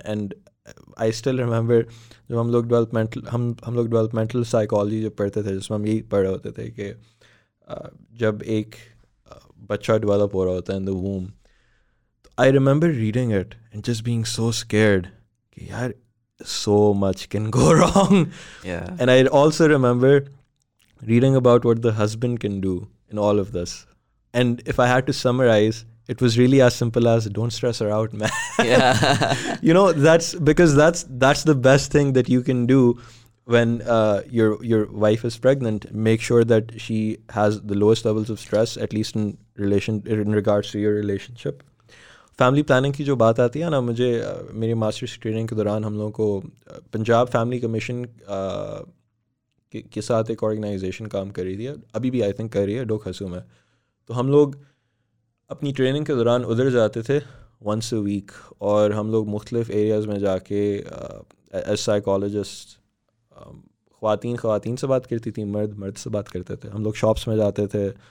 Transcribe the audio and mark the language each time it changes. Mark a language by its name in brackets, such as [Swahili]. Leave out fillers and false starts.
[English] and I still remember [Urdu] جب ہم لوگ ڈیولپمنٹل سائیکالوجی جب پڑھتے تھے, جس میں ہم یہی پڑھ رہے ہوتے تھے کہ جب ایک بچہ ڈیولپ ہو رہا ہوتا ہے [English] in the womb, [Urdu] تو [English] I remember reading it and just being so scared [Urdu] کہ یار [English] So much can go wrong. And I also remember reading about what the husband can do in all of this, and if I had to summarize, it was really as simple as don't stress her out, man. You know, that's because that's the best thing that you can do when your wife is pregnant, make sure that she has the lowest levels of stress, at least in regards to your relationship. [Urdu] Family planning کی جو بات آتی ہے نا, مجھے میری masters training کے دوران ہم لوگوں کو پنجاب فیملی کمیشن کے ساتھ ایک آرگنائزیشن کام کر رہی تھی, ابھی بھی [English] I think [Urdu] کر رہی ہے ڈوک ہسو میں, تو ہم لوگ اپنی ٹریننگ کے دوران ادھر جاتے تھے [English] once a week, [Urdu] اور ہم لوگ مختلف ایریاز میں جا کے ایز سائیکالوجسٹ خواتین سے بات کرتی تھیں, مرد مرد سے بات کرتے تھے, ہم لوگ شاپس میں جاتے تھے,